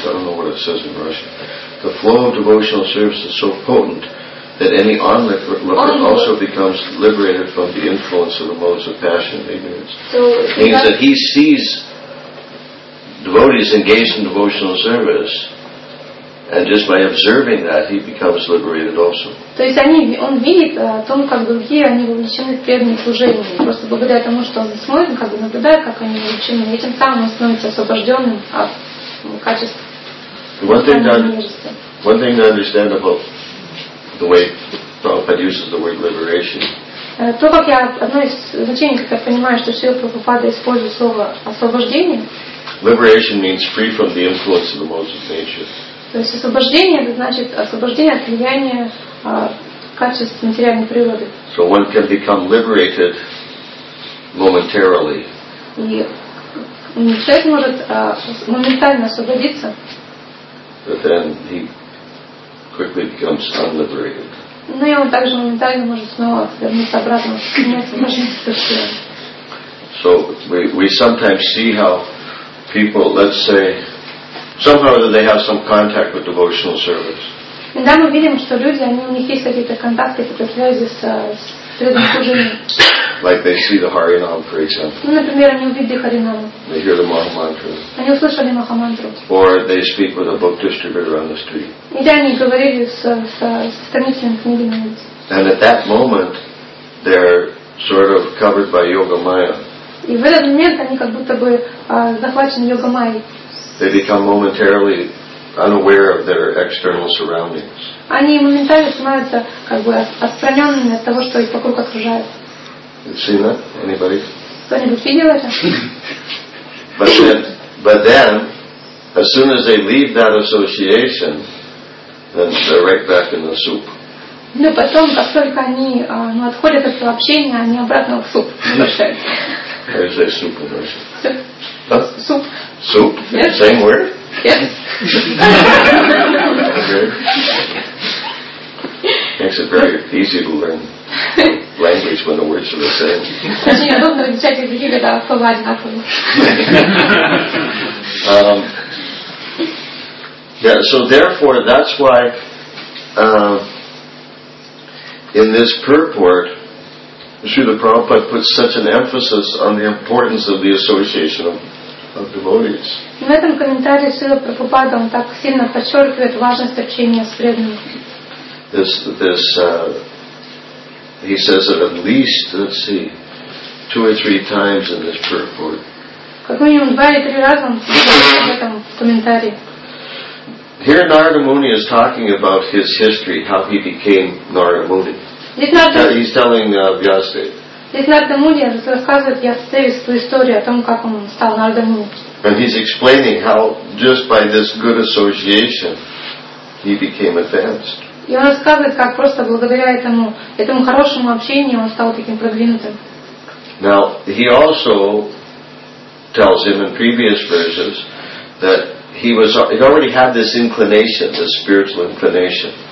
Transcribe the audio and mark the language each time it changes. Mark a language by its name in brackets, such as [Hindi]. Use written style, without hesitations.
[English] I don't know what it says in Russian. The flow of devotional service is so potent that any onlooker also becomes liberated from the influence of the modes of passion and ignorance. So it means that he sees devotees engaged in devotional service, and just by observing that, he becomes liberated also. [Russian] То есть они, он видит о том, как другие, они увлечены преданным служением. Просто благодаря тому, что он смотрит, как бы наблюдает, как они увлечены, этим самым он становится освобожденным от качества. [English] One thing to understand about the way Prabhupada uses the word liberation. [Russian] То, как я, одно из значений, как я понимаю, что Шрила Прабхупада использует слово освобождение. [English] Liberation means free from the influence of the modes of nature. [Russian] То есть освобождение, это значит освобождение от влияния качеств материальной природы. [English] So one can become liberated momentarily. [Russian] И человек может моментально освободиться. [English] But then he quickly becomes unliberated. [Russian] Но он также моментально может снова вернуться обратно к освобождению. [English] So we sometimes see how people, let's say, somehow that they have some contact with devotional service. [Russian] Иногда мы видим, что люди, они у них есть какие-то контакты, какие-то связи с преданным служением. [English] Like they see the Harinam, for example. [Russian] Например, они увидели Харинаму. [English] They hear the Махамантру. [Russian] Они услышали Махамантру. [English] Or they speak with a book distributor on the street. [Russian] И да, они говорили с страницами книги на улице. [English] And at that moment, they're sort of covered by yoga maya. [Russian] И в этот момент они как будто бы захвачены йога майей. [English] They become momentarily unaware of their external surroundings. [Russian] Они моментально становятся как бы отстраненными от того, что их вокруг окружает. [English] You've seen that? Anybody? [Russian] Кто-нибудь видел это? [English] But then, as soon as they leave that association, then they're right back in the soup. [Russian] Но потом, как только они отходят от этого общения, они обратно в суп возвращаются. [English] Where's their soup in Russian? Soup. Soup? Yes. Same word? Yes. Okay. Makes it very easy to learn language when the words are the same. Yeah, so therefore, that's why in this purport, Srila Prabhupada puts such an emphasis on the importance of the association of devotees. [Russian] В этом комментарии Шрила Прабхупада он так сильно подчеркивает важность общения с преданными. [English] He says that at least, let's see, two or three times in this purport. [Russian] Как минимум два или три раза он в этом комментарии. [English] Here Narada Muni is talking about his history, how he became Narada Muni. He's telling Vyasadeva. [Russian] Здесь Нарада Муни рассказывает Вьясадеве свою историю о том, как он стал Нарада Муни. [English] And he's explaining how just by this good association he became advanced. [Russian] И он рассказывает, как просто благодаря этому хорошему общению он стал таким продвинутым. [English] Now, he also tells him in previous verses that he already had this inclination, this spiritual inclination.